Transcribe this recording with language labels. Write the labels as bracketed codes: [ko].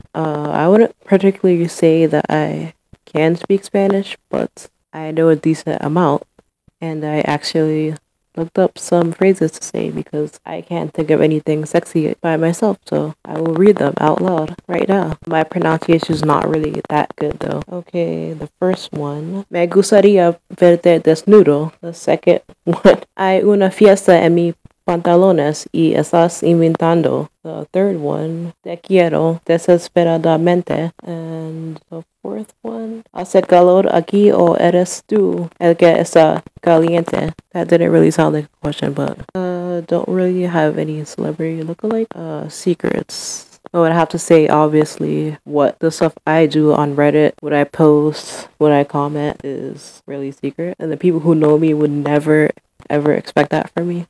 [en] I wouldn't particularly say that I can speak Spanish, but I know a decent amount, and I actually looked up some phrases to say because I can't think of anything sexy by myself, so I will read them out loud right now. My pronunciation is not really that good though. Okay, the first one. [es] Me gustaría verte desnudo. The second one. Hay una fiesta en mis pantalones y estás invitando. [en] The third one. Te quiero desesperadamente. [es] And the fourth one. ¿Hace calor aquí o eres tú el que está caliente? [en] That didn't really sound like a question, but don't really have any celebrity lookalike. Secrets. I would have to say, obviously, what the stuff I do on Reddit, what I post, what I comment is really secret. And the people who know me would never, ever expect that from me.